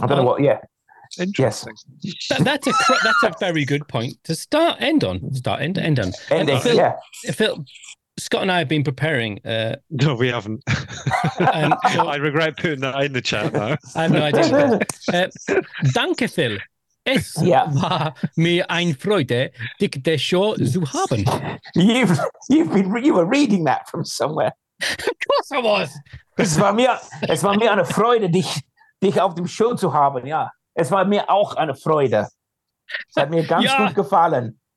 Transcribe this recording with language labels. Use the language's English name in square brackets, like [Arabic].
[English] I don't know what, yeah. Interesting. Yes. That's a very good point to start, end on. End on. Phil, yeah. Phil, Scott and I have been preparing. No, we haven't. I regret putting that in the chat now. I have no idea. Danke, Phil. [German] Es war mir ein Freude, dich der Show zu haben. [English] You were reading that from somewhere. Of course I was. [German] Es war mir eine Freude, dich auf dem Show zu haben. Ja, es war mir auch eine Freude. Es hat mir ganz gut gefallen.